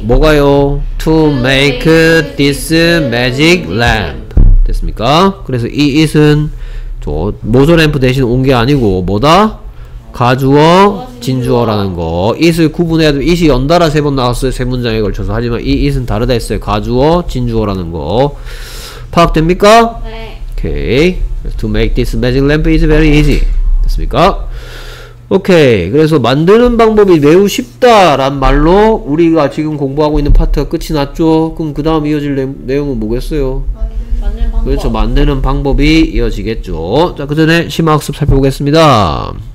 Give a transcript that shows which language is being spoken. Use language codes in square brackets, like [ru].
[ko] 뭐가요? [en] To make this magic lamp. [ko] 됐습니까? 그래서 이 it은 저 motor lamp 대신 온 게 아니고 뭐다? 가주어, 진주어라는 거. it을 구분해야 돼. it이 연달아 세 번 나왔어요. 세 문장에 걸쳐서. 하지만 이 it은 다르다 했어요. 가주어, 진주어라는 거. 파악됩니까? 네. 오케이. [en] To make this magic lamp is very easy. [ko] 됐습니까? 오케이. 그래서 만드는 방법이 매우 쉽다란 말로 우리가 지금 공부하고 있는 파트가 끝이 났죠? 그럼 그 다음 이어질 내용은 뭐겠어요? 만드는 그렇죠. 만드는 방법이 이어지겠죠. 자, 그 전에 심화학습 살펴보겠습니다.